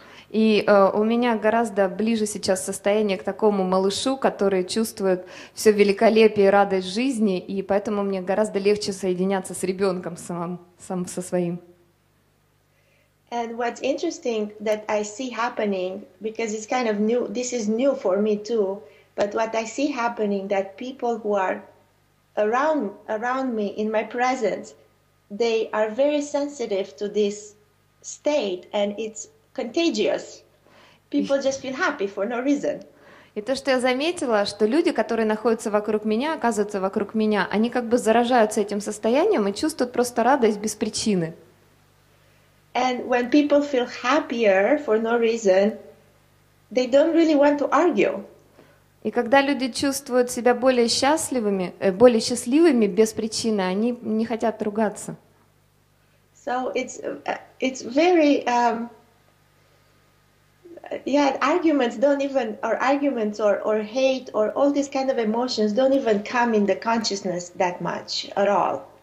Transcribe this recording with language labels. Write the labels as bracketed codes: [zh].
[ru] И у меня гораздо ближе сейчас состояние к такому малышу, который чувствует все великолепие и радость жизни, и поэтому мне гораздо легче соединяться с ребенком со своим. [en] And what's interesting that I see happening, because it's kind of new, this is new for me too. But what I see happening that people who are around me in my presence, they are very sensitive to this state and it's contagious. People just feel happy for no reason. [ru] И то, что я заметила, что люди, которые находятся вокруг меня, оказываются вокруг меня, они как бы заражаются этим состоянием и чувствуют просто радость без причины. [en] And when people feel happier for no reason, they don't really want to argue. [ru] И когда люди чувствуют себя более счастливыми без причины, они не хотят ругаться. [en] So it's very arguments don't even or arguments or hate or all these kind of emotions don't even come in the consciousness that much at all.